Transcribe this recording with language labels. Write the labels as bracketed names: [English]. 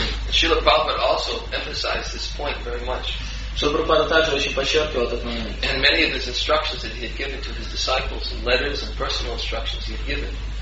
[English] Шрила Прабхупада also emphasized this point very much. [Russian] Шрила Прабхупада также очень подчеркивал этот момент. [English] And many of his instructions that he had given to his disciples, and letters and personal instructions he had given.